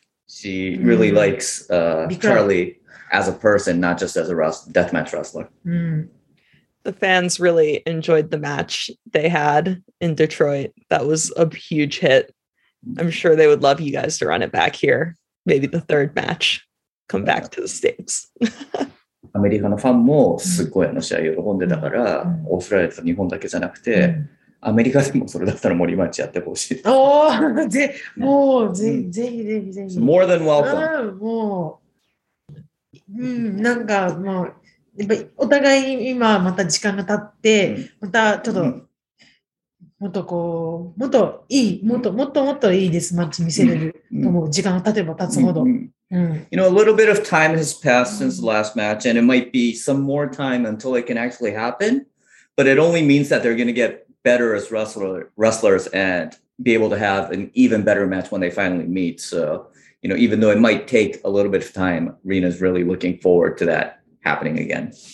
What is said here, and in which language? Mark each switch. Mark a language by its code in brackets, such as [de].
[en] She really likes Charlie as a person, not just as a deathmatch wrestler. The fans really enjoyed the match they had in Detroit. That was a huge hit. I'm sure they would love you guys to run it back here. Maybe the third match, come back to the States. [ja] アメリカのファンもすごいあの試合を喜んでたから、オーストラリアと日本だけじゃなくて、アメリカでもそれだったら森町やってほしい。おお、ぜ、もうぜ、ぜひぜひぜひ。 [en] More than welcome。 [ja] もう、なんかもう、やっぱりお互い今また時間が経って、またちょっと、もっとこう、もっといい、もっともっともっといいですマッチ見せれると思う。時間が経てば経つほど。 [en] You know, a little bit of time has passed since the last match, and it might be some more time until it can actually happen, but it only means that they're going to get better as wrestlers and be able to have an even better match when they finally meet. So, you know, even though it might take a little bit of time, Rena's really looking forward to that happening again.